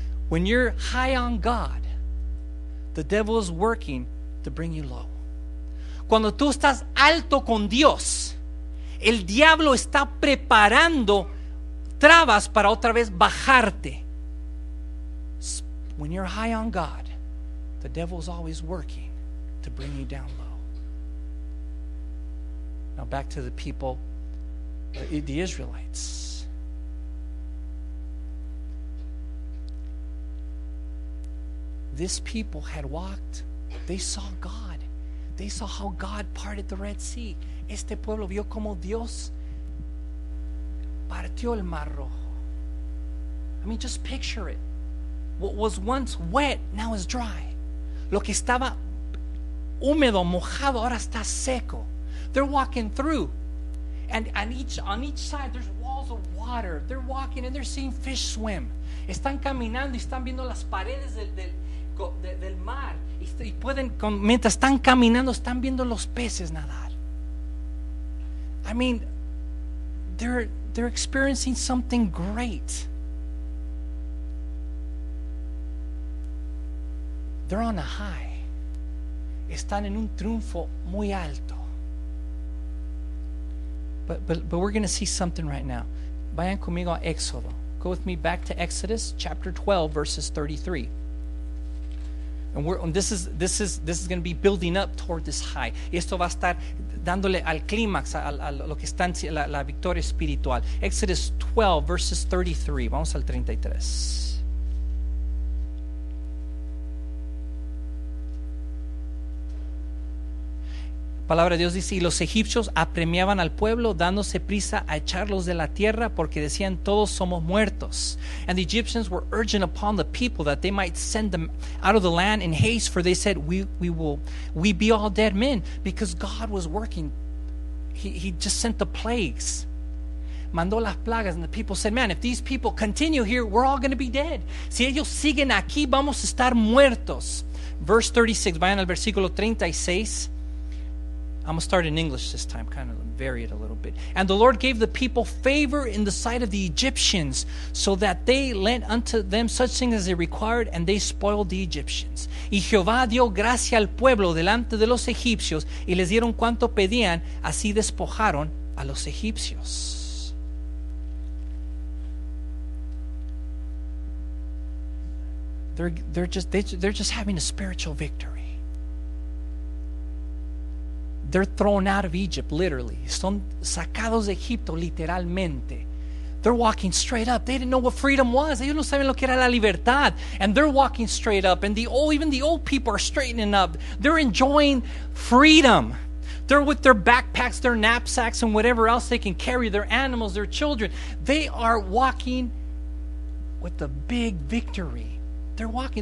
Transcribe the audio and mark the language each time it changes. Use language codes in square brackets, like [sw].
[en] When you're high on God, the devil is working to bring you low. [es] Cuando tú estás alto con Dios, el diablo está preparando trabas para otra vez bajarte. [en] When you're high on God, the devil's always working to bring you down low. Now back to the people, the Israelites. This people had walked, they saw God. They saw how God parted the Red Sea. [es] Este pueblo vio como Dios partió el Mar Rojo. [en] I mean, just picture it. What was once wet, now is dry. [es] Lo que estaba húmedo, mojado, ahora está seco. [en] They're walking through. And on each side, there's walls of water. They're walking and they're seeing fish swim. [es] Están caminando y están viendo las paredes del mar. Y pueden, mientras están caminando, están viendo los peces nadar. [en] I mean, they're experiencing something great. They're on a high. [es] Están en un triunfo muy alto. [en] But we're going to see something right now. [es] Vayan conmigo a Éxodo. [en] Go with me back to Exodus chapter 12, verses 33. And this is going to be building up toward this high. Esto va a estar dándole al clímax, a lo que está en la victoria espiritual. Exodus 12, verses 33. [es] Vamos al 33. Palabra de Dios dice: y los egipcios apremiaban al pueblo, dándose prisa a echarlos de la tierra, porque decían: todos somos muertos. [en] And the Egyptians were urgent upon the people that they might send them out of the land in haste, for they said, we be all dead men, because God was working. He just sent the plagues. [es] Mandó las plagas. [en] And the people said, man, if these people continue here, we're all going to be dead. [es] Si ellos siguen aquí, vamos a estar muertos. [en] Verse 36, [es] vayan al versículo 36. [en] I'm going to start in English this time, kind of vary it a little bit. And the Lord gave the people favor in the sight of the Egyptians, so that they lent unto them such things as they required, and they spoiled the Egyptians. [es] Y Jehová dio gracia al pueblo delante de los egipcios, y les dieron cuanto pedían, así despojaron a los egipcios. [en] They're just having a spiritual victory. They're thrown out of Egypt, literally. [es] Son sacados de Egipto, literalmente. [en] They're walking straight up. They didn't know what freedom was. [es] Ellos no saben lo que era la libertad. [en] And they're walking straight up. And even the old people are straightening up. They're enjoying freedom. They're with their backpacks, their knapsacks, and whatever else they can carry, their animals, their children. They are walking with a big victory. They're walking.